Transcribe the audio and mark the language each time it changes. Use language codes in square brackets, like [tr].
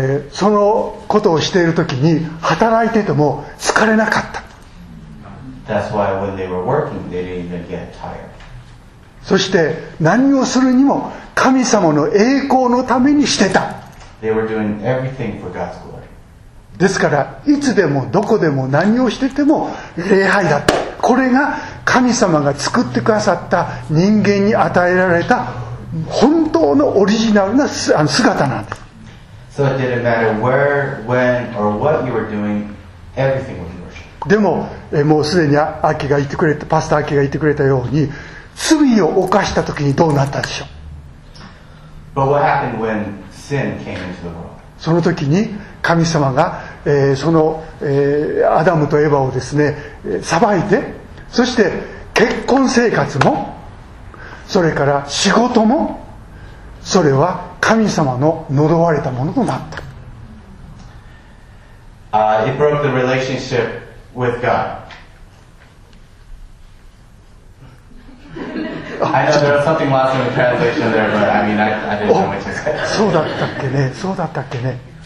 [ja] そのことをしているときに働いてても疲れなかった。 [en] That's why when they were working, they didn't even get tired. [ja] そして何をするにも神様の栄光のためにしてた。 [en] They were doing everything for God's glory. [ja] ですからいつでもどこでも何をしてても礼拝だった。これが神様が作ってくださった人間に与えられた本当のオリジナルな姿なんです。 [en] So it didn't matter where, when, or what you were doing, everything was worship. [ja] でも、もうすでにアキが言ってくれた、パスターアキが言ってくれたように、罪を犯したときにどうなったでしょう。 [en] But what happened when sin came into the world? [ja] そのときに神様が、その、アダムとエヴァをですね、裁いて、そして結婚生活も、それから仕事もそれは神様の呪われたものとなった。 [en] It broke the relationship with God. I know there was something lost in the translation there, but I mean I didn't know what you said. [ja] そうだったっけね、そうだったっけね。